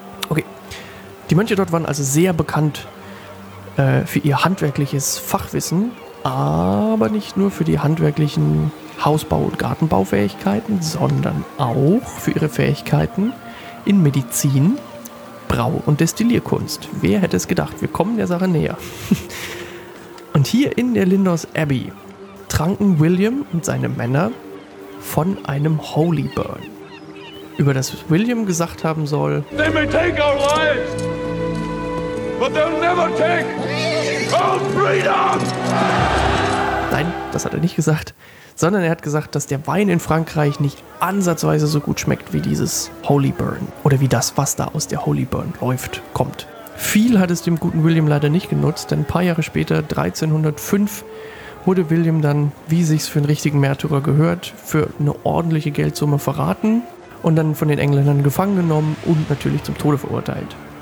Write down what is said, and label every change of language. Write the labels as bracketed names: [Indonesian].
[German] Okay, die Mönche dort waren also sehr bekannt für ihr handwerkliches Fachwissen, aber nicht nur für die handwerklichen Hausbau- und Gartenbaufähigkeiten, sondern auch für ihre Fähigkeiten in Medizin, Brau- und Destillierkunst. Wer hätte es gedacht? Wir kommen der Sache näher. Und hier in der Lindos Abbey tranken William und seine Männer von einem Holy Burn, über das William gesagt haben soll: [English] They may take our lives, but they'll never take our freedom! [German] Nein, das hat er nicht gesagt, sondern er hat gesagt, dass der Wein in Frankreich nicht ansatzweise so gut schmeckt wie dieses Holy Burn oder wie das, was da aus der Holy Burn läuft, kommt. Viel hat es dem guten William leider nicht genutzt, denn ein paar Jahre später, 1305, wurde William dann, wie sich's für einen richtigen Märtyrer gehört, für eine ordentliche Geldsumme verraten und dann von den Engländern gefangen genommen und natürlich zum Tode verurteilt.